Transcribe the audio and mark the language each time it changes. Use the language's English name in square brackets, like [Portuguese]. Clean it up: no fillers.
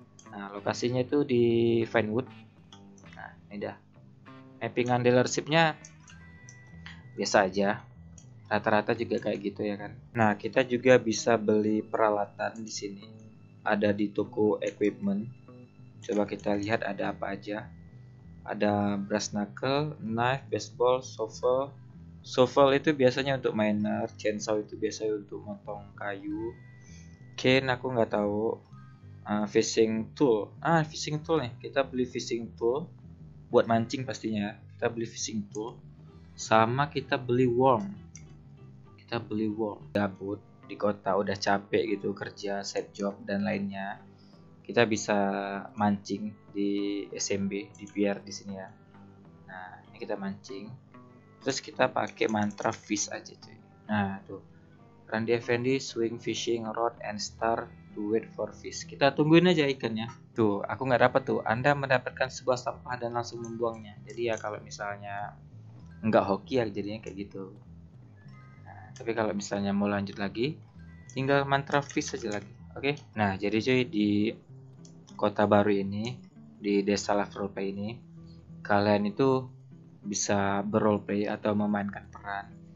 [Indonesian] Nah, lokasinya itu di Vinewood. Nah, ini dah. Mappingan dealership-nya biasa aja. Rata-rata juga kayak gitu ya kan. Nah, kita juga bisa beli peralatan di sini. Ada di toko equipment. Coba kita lihat ada apa aja. Ada brass knuckle, knife, baseball, shovel. Shovel itu biasanya untuk miner, chainsaw itu biasanya untuk motong kayu. Cane aku nggak tahu. Fishing tool. Ah, fishing tool nih. Kita beli fishing tool buat mancing pastinya. Kita beli fishing tool. Sama kita beli worm. Kita beli worm. Gabut di kota udah capek gitu kerja set job dan lainnya. Kita bisa mancing di SMB, di PR di sini ya. Nah, ini kita mancing. Terus kita pakai mantra fish aja, cuy. Nah, tuh. [English] Randy Effendi swing fishing rod and start to wait for fish. [Indonesian] Kita tungguin aja ikannya. Tuh, aku nggak dapat tuh. Anda mendapatkan sebuah sampah dan langsung membuangnya. Jadi ya kalau misalnya nggak hoki ya jadinya kayak gitu. Nah, tapi kalau misalnya mau lanjut lagi, tinggal mantra fish aja lagi. Oke. Okay? Nah, jadi cuy, di kota baru ini, di Desa Lafrope ini, kalian itu bisa berroleplay atau memainkan peran.